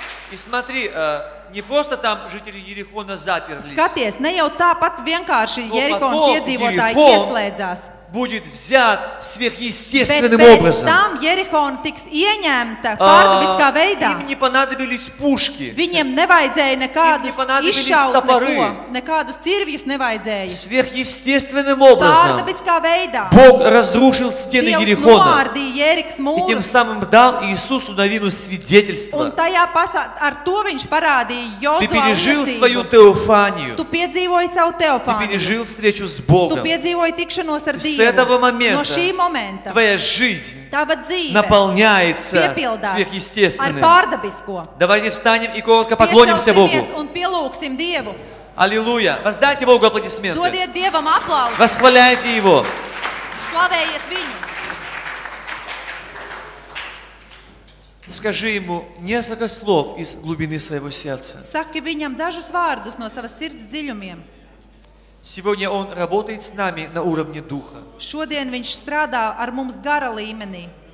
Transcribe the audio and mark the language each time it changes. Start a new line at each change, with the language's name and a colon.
Russian: И смотри, не просто там жители Ерихона заперлись.
Latvian: Skaties, ne jau tāpat vienkārši Jerihons iedzīvotāji ieslēdzās.
Russian: Будет взят сверхъестественным образом. Там
Latvian: Jerihon tiks ieņemta pārdabiskā veidā.
Russian: Им не понадобились пушки.
Latvian: Viņiem nevajadzēja nekādus izšaut topori. Nekādus cirvjus nevajadzēja.
Russian: Сверхъестественным образом.
Latvian: Pārdabiskā veidā.
Russian: Бог разрушил стены Jerihona.
Latvian: Nomārdīja Jerihons mūrus.
Russian: И тем самым дал Иисусу Навину свидетельство.
Latvian: Un tajā pašā ar to viņš parādīja Jozua.
Russian: Ты пережил свою теофанию.
Latvian: Tu piedzīvoji savu teofāniju.
Russian: Ты пережил встречу с Богом.
Latvian: Tu piedzīvoji tikšanos ar
Russian: С этого момента
Latvian: no šī momenta,
Russian: твоя жизнь
Latvian: tava dzīve
Russian: наполняется сверхъестественным.
Latvian: Ar pārdabisko.
Russian: Давайте встанем и коротко поклонимся Богу.
Latvian: Un pielūksim Dievu.
Russian: Аллилуйя. Воздайте Богу аплодисменты.
Latvian: Dodiet Dievam aplausus.
Russian: Восхваляйте Его.
Latvian: Slavējiet Viņu.
Russian: Скажи Ему несколько слов из глубины своего сердца.
Latvian: Saki Viņam dažus vārdus no savas sirds dziļumiem.
Russian: Сегодня он работает с нами на уровне духа.
Latvian: Šodien viņš strādā ar mums gara līmenī.